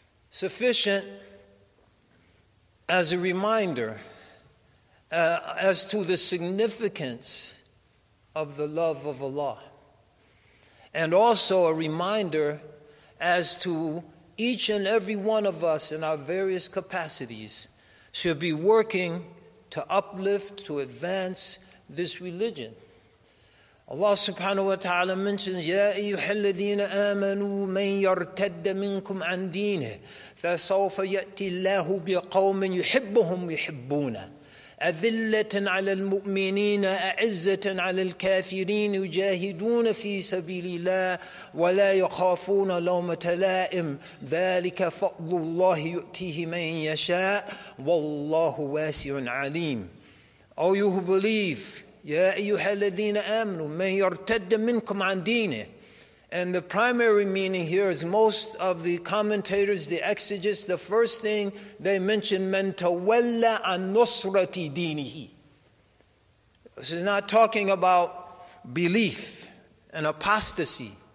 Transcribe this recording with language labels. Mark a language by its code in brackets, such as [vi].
[en] Sufficient as a reminder as to the significance of the love of Allah. And also a reminder as to each and every one of us in our various capacities should be working to uplift, to advance this religion. Allah subhanahu wa ta'ala mentions, [ar] يَا أَيُّهَا الَّذِينَ آمَنُوا مَنْ يَرْتَدَّ مِنْكُمْ عَنْ دِينِهِ فَسَوْفَ يَأْتِي اللَّهُ بِقَوْمٍ يُحِبُّهُمْ يُحِبُّونَ أَذِلَّةً عَلَى الْمُؤْمِنِينَ أَعِزَّةً عَلَى الْكَافِرِينَ يُجَاهِدُونَ فِي سَبِيلِ اللَّهِ وَلَا يَخَافُونَ لَوْمَةَ لَائِمٍ ذَلِكَ فَضْلُ اللَّهِ يُؤْتِيهِ مَنْ يَشَاءُ وَاللَّهُ وَاسِعٌ عَلِيمٌ. [en] O you who believe, [ar] يَا أَيُّهَا الَّذِينَ آمَنُوا مَنْ يَرْتَدَّ مِنْكُمْ عَنْ دِينِهِ. [en] And the primary meaning here is most of the commentators, the exegetes, the first thing they mention, [ar] مَنْ تَوَلَّ عَنْ نُصْرَةِ دِينِهِ. [en] This is not talking about belief and apostasy.